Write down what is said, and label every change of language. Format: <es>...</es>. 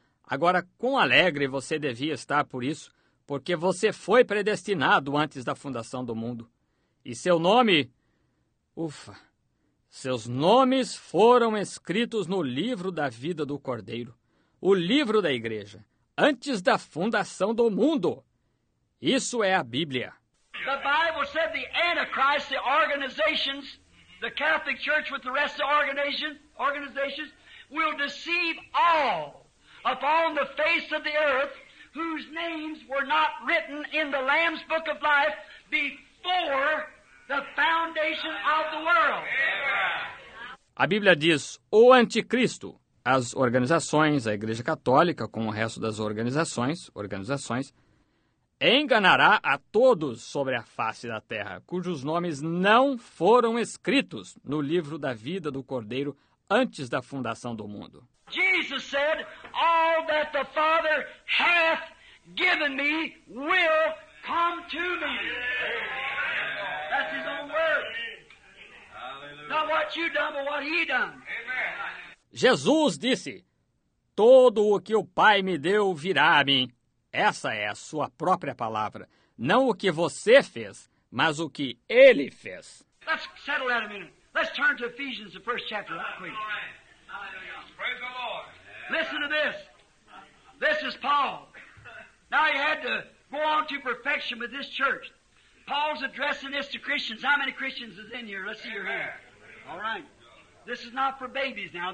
<pt>Agora, quão alegre você devia estar por isso, porque você foi predestinado antes da fundação do mundo. E seu nome, ufa, seus nomes foram escritos no livro da vida do Cordeiro, o livro da igreja, antes da fundação do mundo. Isso é a Bíblia.</pt> <en>The Bible said the Antichrist, the organizations, the Catholic Church with the rest of the organizations, will deceive all upon the face of the earth, whose names were not written in the Lamb's Book of Life before the foundation of the world.</en> <pt>A Bíblia diz, o anticristo, as organizações, a Igreja Católica, com o resto das organizações, enganará a todos sobre a face da terra, cujos nomes não foram escritos no livro da vida do Cordeiro antes da fundação do mundo.</pt> <en>Jesus said, all that the Father hath given me will come to me. That's his own word. Not what you done, but what he done.</en> <pt>Jesus disse, todo o que o Pai me deu virá a mim. Essa é a sua própria palavra. Não o que você fez, mas o que ele fez.</pt> <en>Let's settle that a minute. Let's turn to Ephesians, the first chapter, real quick. Praise the Lord. Listen to this. This is Paul. Now he had to go on to perfection with this church. Paul's addressing this to Christians. How many Christians is in here? Let's see your hand. All right. This is not for babies now.</en>